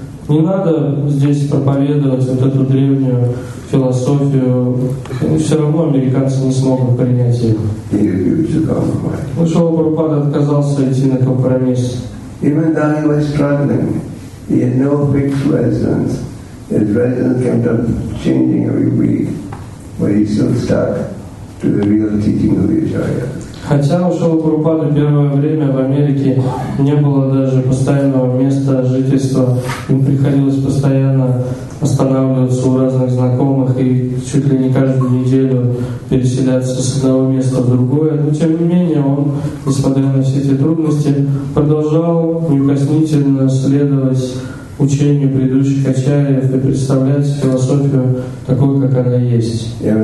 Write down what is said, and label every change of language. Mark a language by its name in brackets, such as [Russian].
[Russian] Не надо здесь проповедовать вот эту древнюю философию. Все равно американцы не смогут принять ее. Ну, Шрила Прабхупада отказался идти на компромисс. [English] Even though he was struggling, he had no fixed residence. His residence kept on changing every week, but he still stuck to the real teaching of the Acharya. [Russian] Хотя у Шрилы Прабхупады первое время в Америке не было даже постоянного места жительства, им приходилось постоянно останавливаться у разных знакомых и чуть ли не каждую неделю переселяться с одного места в другое. Но тем не менее он, несмотря на все эти трудности, продолжал неукоснительно следовать учению предыдущих ачарьев и представлять философию такой, как она есть.